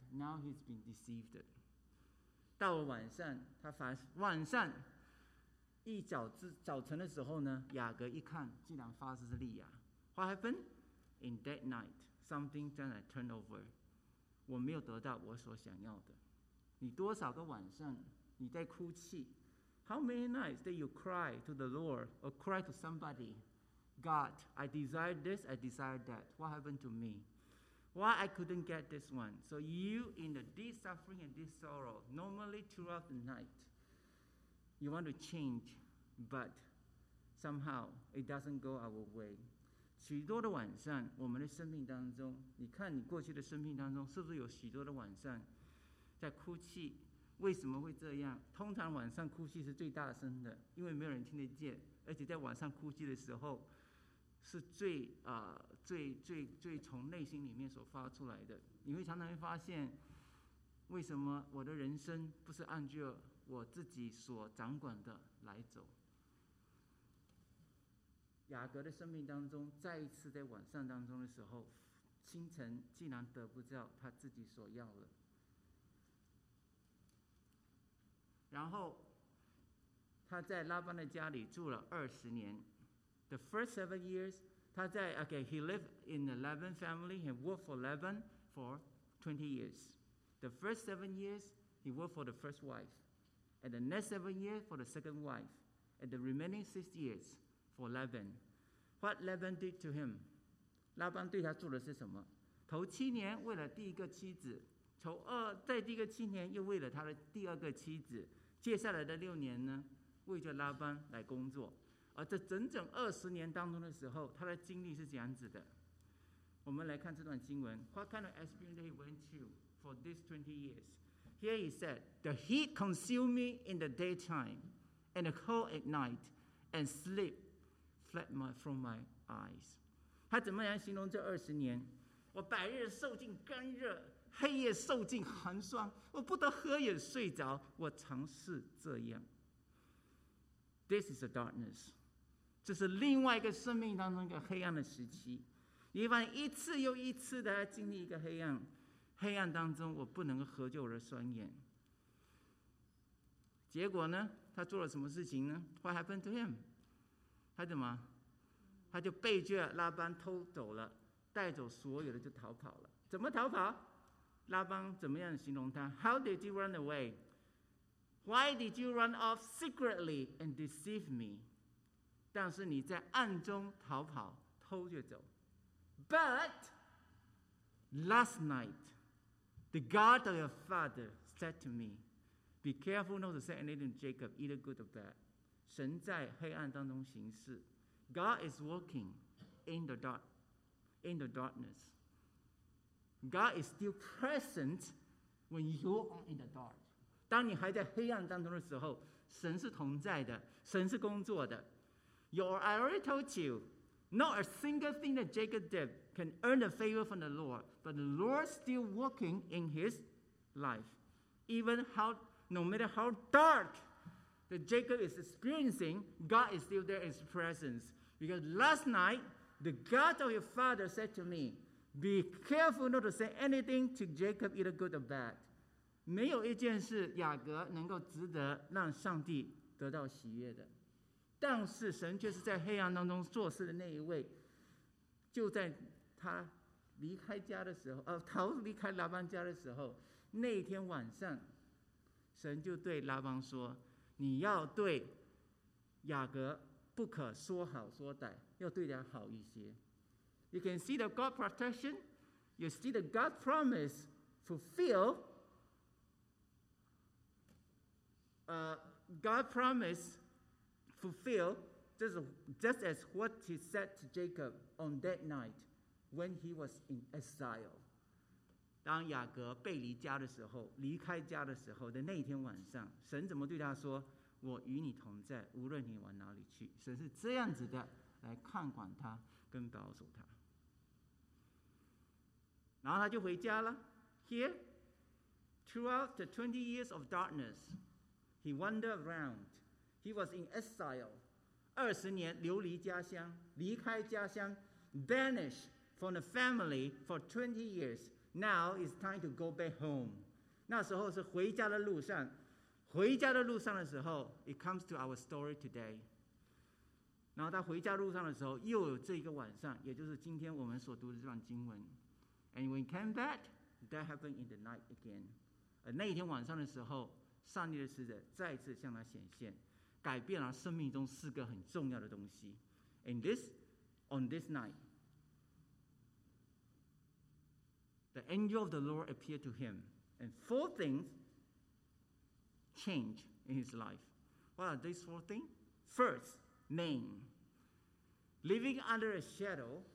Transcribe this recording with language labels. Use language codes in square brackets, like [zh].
[en] Now he's been deceived. [zh] 到了晚上，早晨的时候呢，雅各一看，竟然发现是利亚。 [en] What happened? In that night, something just turned over. [zh] 我没有得到我所想要的。你多少个晚上你在哭泣 [en] ？How many nights did you cry to the Lord or cry to somebody? God, I desire this, I desire that. What happened to me? Why I couldn't get this one? So you in the deep suffering and deep sorrow, normally throughout the night, you want to change, but somehow it doesn't go our way. [zh] 许多的晚上，我们的生命当中，你看你过去的生命当中，是不是有许多的晚上在哭泣？为什么会这样？通常晚上哭泣是最大声的，因为没有人听得见，而且在晚上哭泣的时候是最从内心里面所发出来的。你会常常会发现，为什么我的人生不是按照我自己所掌管的来走？雅各的生命当中，再一次在晚上当中的时候，清晨竟然得不到他自己所要的。然后他在拉班的家里住了20年。 [en] The first 7 years, he lived in the Laban family and worked for Laban for 20 years. The first 7 years, he worked for the first wife. And the next 7 years, for the second wife. And the remaining 6 years, for Laban. What Laban did to him? [zh] 拉班对他做的是什么？头七年为了第一个妻子，在第一个七年又为了他的第二个妻子，接下来的六年呢，为着拉班来工作。而这整整20年当中的时候，他的经历是怎样子的？我们来看这段经文。 [en] What kind of experience he went through for these 20 years? Here he said, the heat consumed me in the daytime, and the cold at night, and sleep fled from my eyes. [zh] 他怎么样形容这20年？我白日受尽干热，黑夜受尽寒霜，我不得喝也睡着，我常是这样。 [en] This is a darkness. [zh] 这是另外一个生命当中一个黑暗的时期。你发现一次又一次的来经历一个黑暗，黑暗当中我不能合就我的双眼。结果呢，他做了什么事情呢？ [en] What happened to him? [zh] 他怎么？他就背着拉班偷走了，带走所有的就逃跑了。怎么逃跑？拉班怎么样形容他？ [en] How did you run away? Why did you run off secretly and deceive me? [zh] 但是你在暗中逃跑，偷着走。 [en] But last night, the God of your father said to me, "Be careful not to say anything to Jacob, either good or bad." [zh] 神在黑暗当中行事， [en] God is working in the dark, in the darkness. God is still present when you are in the dark. 当你还在黑暗当中的时候，神是同在的，神是工作的。 Your, I already told you, not a single thing that Jacob did can earn the favor from the Lord, but the Lord is still working in his life. Even how, no matter how dark that Jacob is experiencing, God is still there in his presence. Because last night, the God of your father said to me, be careful not to say anything to Jacob, either good or bad. [zh] 没有一件事雅各能够值得让上帝得到喜悦的。但是神却是在黑暗当中做事的那一位，就在他离开家的时候，逃离开拉班家的时候，那一天晚上，神就对拉班说，你要对雅各不可说好说歹，要对他好一些。 [en] You can see the God protection, you see the God promise fulfill God promise fulfill just as what he said to Jacob on that night when he was in exile. [zh] 当雅各背离家的时候，离开家的时候的那天晚上，神怎么对他说，我与你同在，无论你往哪里去，神是这样子的来看管他跟保守他。然后他就回家了。 [en] Here throughout the 20 years of darkness he wandered around. He was in exile. [zh] 20 年流离家乡，离开家乡， [en] banished from the family for 20 years. Now it's time to go back home. [zh] 那时候是回家的路上，回家的路上的时候， [en] it comes to our story today. [zh] 然后他回家路上的时候，又有这一个晚上，也就是今天我们所读的这段经文。 [en] And when he came back, that happened in the night again. [zh] 那一天晚上的时候，上帝的使者再次向他显现，改变了生命中四个很重要的东西。 [en] And this, on this night, the angel of the Lord appeared to him, and four thingschange in his life. What are these four things? First, name. Living under a shadow.